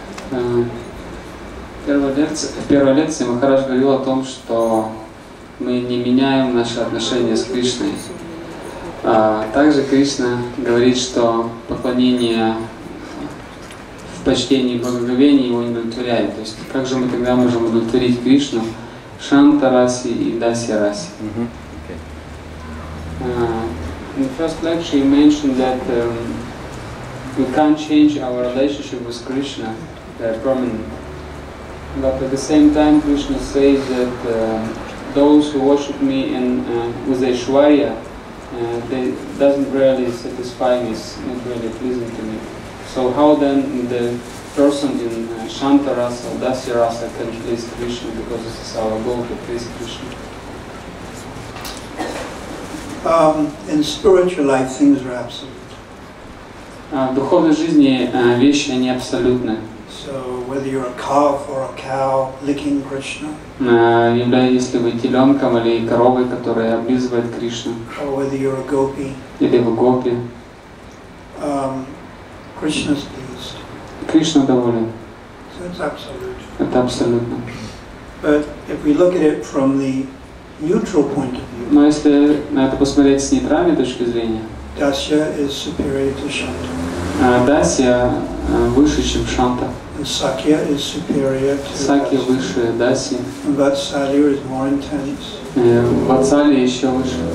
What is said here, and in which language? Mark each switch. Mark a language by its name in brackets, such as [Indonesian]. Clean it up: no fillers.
[Russian] В первой лекции Махарадж говорил о том, что мы не меняем наши отношения с Кришной. Также Кришна говорит, что поклонение в почтении и благоговении его не удовлетворяет. То есть как же мы тогда можем удовлетворить Кришну? Шанта Раси и Дасья Раси. [English] In the first lecture you mentioned that we can't change our relationship with Krishna. But at the same time, Krishna says that those who worship me and with Aishwarya, they doesn't really satisfy me, it's not really pleasing to me. So how then the person in Shanta Rasa or Dasya Rasa can please Krishna, because this is our goal to please Krishna? In spiritual life, things are absolute. [Russian] В духовной жизни вещи, они абсолютны. [English] So whether you're a calf or a cow licking Krishna, [Russian] если вы теленком или коровой, которая облизывает Кришну, [English] or whether you're a gopi, [Russian] или вы гопи, [English] Krishna's pleased. [Russian] Кришна доволен. [English] So it's absolute. [Russian] Это абсолютно. [English] But if we look at it from the neutral point of view, [Russian] но если на это посмотреть с нейтральной точки зрения, [English] Dasya is superior to Shanta. [Russian] Дасья выше, чем Шанта. [English] Сакья is superior to Дасья. [Russian] Сакья выше Дасьи. [English] Ватсалья is more intense. [Russian] Ватсалья еще выше.